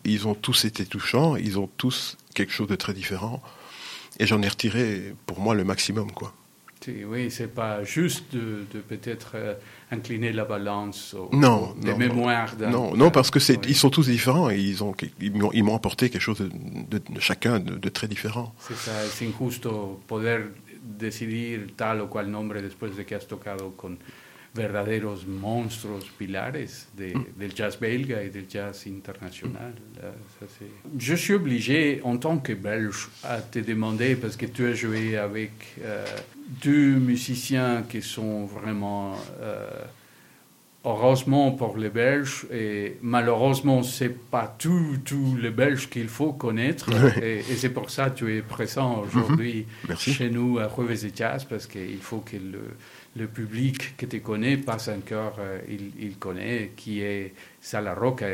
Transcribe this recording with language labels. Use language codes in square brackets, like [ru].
[fr] Ils ont tous été touchants, ils ont tous quelque chose de très différent. Et j'en ai retiré pour moi le maximum, quoi. Oui, c'est pas juste de peut-être incliner la balance aux mémoires. Non, parce que ils sont tous différents et ils m'ont apporté quelque chose de chacun de très différent. C'est ça, c'est [es] injusto poder decidir tal o cual nombre después de que has tocado con verdaderos monstruos pilares del jazz belga et del jazz international. [fr] Je suis obligé, en tant que belge, à te demander, parce que tu as joué avec deux musiciens qui sont vraiment, heureusement pour les Belges, et malheureusement, ce n'est pas tous les Belges qu'il faut connaître, et c'est pour ça que tu es présent aujourd'hui chez nous à Revues et Jazz, parce qu'il faut que le public que tu connais, pas encore, il connaît, qui est Sala Roca.